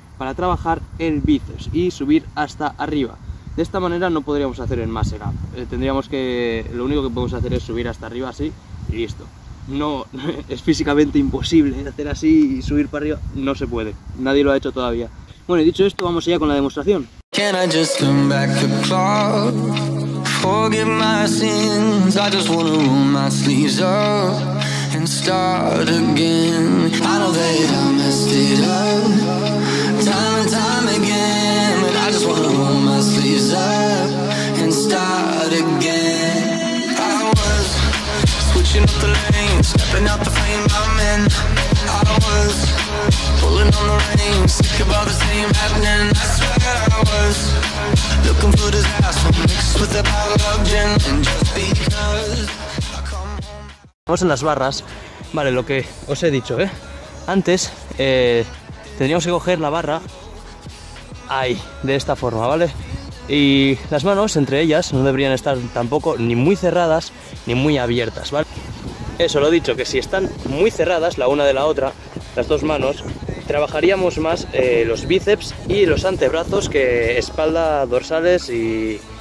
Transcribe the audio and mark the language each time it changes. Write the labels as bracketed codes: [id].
[es] Para trabajar el bíceps y subir hasta arriba. De esta manera no podríamos hacer el muscle up. Lo único que podemos hacer es subir hasta arriba así y listo. No, es físicamente imposible hacer así y subir para arriba. No se puede. Nadie lo ha hecho todavía. Bueno, y dicho esto, vamos allá con la demostración. [en] Can I just turn back the clock? Forget my sins. I just wanna roll my sleeves up and start again. I know that I messed it up time and time again. But I just wanna roll my sleeves up and start again. I was switching up the lanes, stepping out the frame, I'm in. I was pulling on the reins, sick of all the same happening. I swear I was looking for disaster mixed with a bottle of gin. And just because. [es] Vamos en las barras, vale, lo que os he dicho, antes tendríamos que coger la barra ahí, de esta forma, vale, y las manos entre ellas no deberían estar tampoco ni muy cerradas ni muy abiertas, vale, eso lo he dicho, que si están muy cerradas la una de la otra, las dos manos, trabajaríamos más los bíceps y los antebrazos que espalda, dorsales y